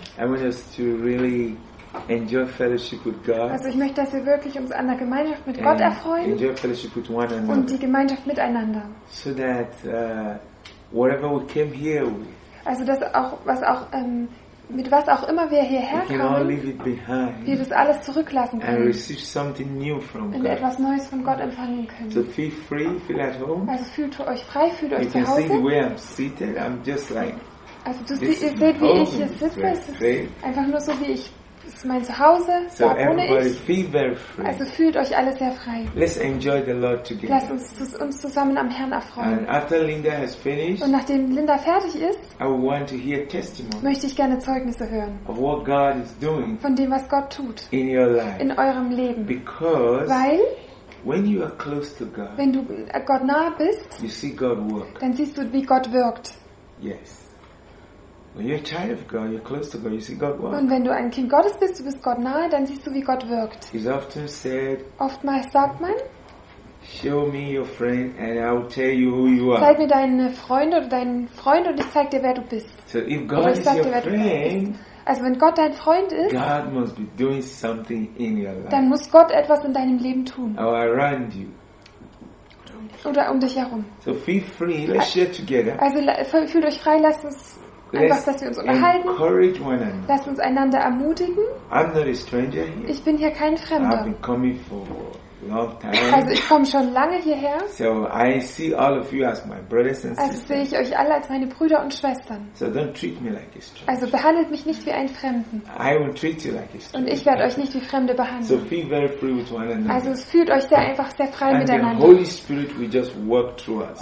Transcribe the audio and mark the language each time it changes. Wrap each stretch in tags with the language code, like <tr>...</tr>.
<en>I want us to really enjoy fellowship with God.</en> <de>Also ich möchte, dass wir wirklich uns an der Gemeinschaft mit Gott erfreuen.</de> <en>Enjoy fellowship with one another.</en> <de>Und die Gemeinschaft miteinander.</de> <en>So that whatever we came here with.</en> <de>Also das auch, was auch mit was auch immer wir hierher kommen, wir das alles zurücklassen können und etwas Neues von Gott empfangen können.</de> <en>So feel free, feel at home.</en> <de>Also fühlt euch frei, fühlt euch</de> <en>you</en> <de>zu Hause.</de> <en>You see the way I'm seated, I'm just like.</en> <de>Also ihr seht, wie ich hier sitze. Es ist einfach nur so, wie ich. Es ist mein Zuhause.</de> <en>So</en> <de>da wohne ich.</de> <en>Feel very free.</en> <de>Also fühlt euch alle sehr frei.</de> <en>Let's enjoy the Lord together.</en> <de>Lasst uns zusammen am Herrn erfreuen.</de> <en>And after Linda has finished,</en> <de>und nachdem Linda fertig ist,</de> <en>I want to hear testimony</en> <de>möchte ich gerne Zeugnisse hören</de> <en>of what God is doing</en> <de>von dem, was Gott tut</de> <en>in, your life.</en> <de>In eurem Leben.</de> <en>Because</en> <de>weil</de> <en>when you are close to God,</en> <de>wenn du Gott nahe bist,</de> <en>you see God work.</en> <de>Dann siehst du, wie Gott wirkt.</de> <en>Yes. When you're a child of God, you're close to God, you see God work.</en> <de>Und wenn du ein Kind Gottes bist, du bist Gott nahe, dann siehst du, wie Gott wirkt.</de> <en>He's often said,</en> <de>oftmals sagt man,</de> <en>show me your friend and I'll tell you who you are.</en> <de>Zeig mir deine Freunde oder deinen Freund und ich zeig dir, wer du bist.</de> <en>So if God is your friend,</en> <de>also wenn Gott dein Freund ist,</de> <en>God must be doing something in your life.</en> <de>Dann muss Gott etwas in deinem Leben tun.</de> <en>Or around you.</en> <de>Oder um dich herum.</de> <en>So feel free, let's share together.</en> <de>Also fühlt euch frei, lasst uns einfach, dass wir uns unterhalten. Lass uns einander ermutigen.</de> <en>I'm not a stranger here.</en> <de>Ich bin hier kein Fremder.</de> <en>I've been coming for a long time.</en> <de>Also ich komme schon lange hierher.</de> <en>So I see all of you as my brothers and sisters.</en> <de>Also sehe ich euch alle als meine Brüder und Schwestern.</de> <en>So don't treat me like a stranger.</en> <de>Also behandelt mich nicht wie einen Fremden.</de> <en>I will treat you like a stranger.</en> <de>Und ich werde euch nicht wie Fremde behandeln.</de> <en>So feel very free with one another.</en> <de>Also es fühlt euch sehr einfach, sehr frei</de> <en>and</en> <de>miteinander.</de> <en>The Holy Spirit will just work through us.</en>